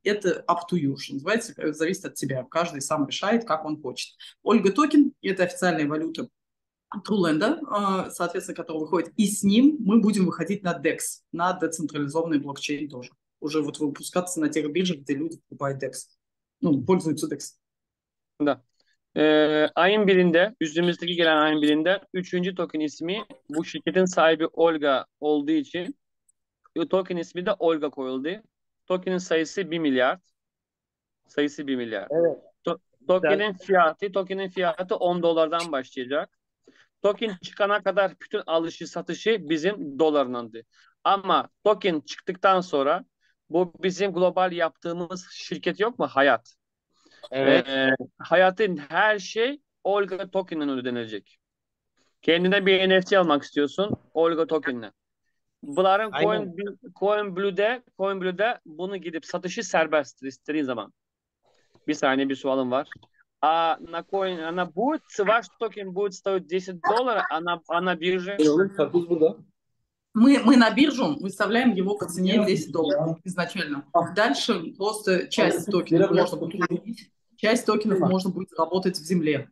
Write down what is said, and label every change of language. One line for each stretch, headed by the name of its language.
Russian: Это
English: up to you,
Russian: что называется, зависит от тебя. Каждый сам решает, как он хочет. Ольга токен – это официальная валюта Труленда, соответственно, которого выходит. И с ним мы будем выходить на DEX, на децентрализованный блокчейн тоже. Уже вот выпускаться на тех биржах, где люди покупают DEX. Ну, пользуются DEX. Да.
Turkish: Ayın birinde, üzerimizdeki gelen ayın birinde üçüncü token ismi bu şirketin sahibi Olga olduğu için token ismi de Olga koyuldu. Token'in sayısı 1 milyar. Sayısı 1 milyar. Evet. Güzel. Token'in fiyatı 10 dolardan başlayacak. Token çıkana kadar bütün alışı satışı bizim dolarındandı. Ama token çıktıktan sonra bu bizim global yaptığımız şirket yok mu? Hayat. Evet. Hayatın her şey Olga Token'den ödenecek. Kendine bir NFT almak istiyorsun Olga Token'le. Bunların Aynen. CoinBlue'de bunu gidip satışı serbesttir istediğin zaman. Bir saniye bir sualım var.
Russian: Ваш токен будет стоить 10 долларов, а на бирже? Мы на биржу выставляем его по цене 10 долларов изначально. Дальше просто часть токенов можно будет купить, часть токенов можно будет заработать в земле.